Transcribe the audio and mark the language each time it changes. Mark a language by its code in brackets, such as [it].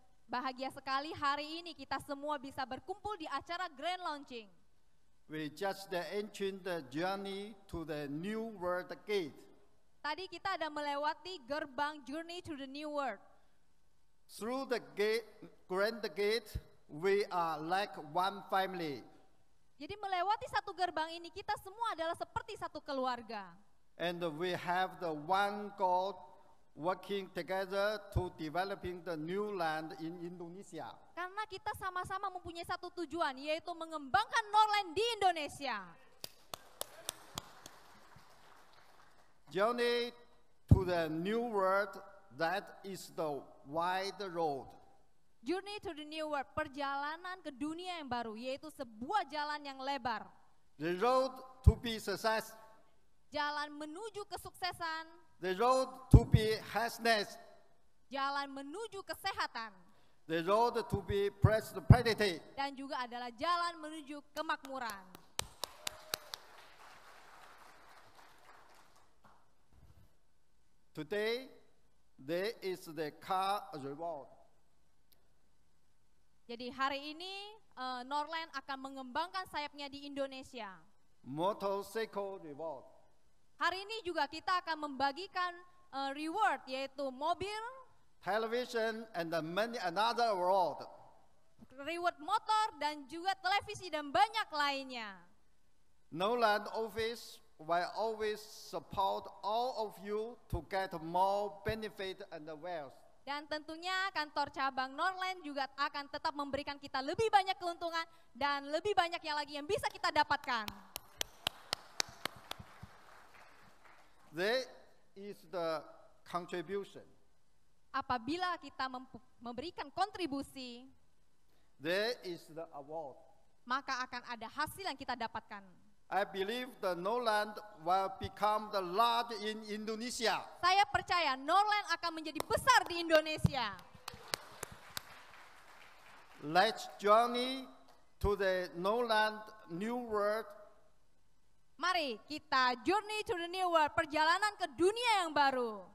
[id] Bahagia sekali hari ini kita semua bisa berkumpul di acara grand launching. [en] We just the entering the journey to the new world gate. [id] Tadi kita ada melewati gerbang [en] journey to the new world. Through the gate, grand gate, we are like one family. [id] Jadi melewati satu gerbang ini kita semua adalah seperti satu keluarga. [en] And we have the one goal working together to developing the new land in Indonesia. [id] Karena kita sama-sama mempunyai satu tujuan yaitu mengembangkan Norland di Indonesia. [en] Journey to the new world, that is the wide road. Journey to the new world, [id] perjalanan ke dunia yang baru, yaitu sebuah jalan yang lebar. [en] The road to be success. [id] Jalan menuju kesuksesan. [en] The road to be happiness. [id] Jalan menuju kesehatan. [en] The road to be prosperity. [id] Dan juga adalah jalan menuju kemakmuran. [en] Today, there is the car reward. [id] Jadi hari ini Norland akan mengembangkan sayapnya di Indonesia. [en] Motorcycle reward. [id] Hari ini juga kita akan membagikan reward yaitu mobil, [en] television and many another award. [id] Reward motor dan juga televisi dan banyak lainnya. [en] Norland office will always support all of you to get more benefit and wealth. [id] Dan tentunya kantor cabang Norland juga akan tetap memberikan kita lebih banyak keuntungan dan lebih banyaknya lagi yang bisa kita dapatkan. [en] There is the contribution. [id] Apabila kita memberikan kontribusi, [en] there is the award. [id] Maka akan ada hasil yang kita dapatkan. [en] I believe the Norland will become the large in Indonesia. [id] Saya percaya Norland akan menjadi besar di Indonesia. [en] Let's journey to the Norland new world. [id] Mari kita [en] journey to the new world, [id] perjalanan ke dunia yang baru.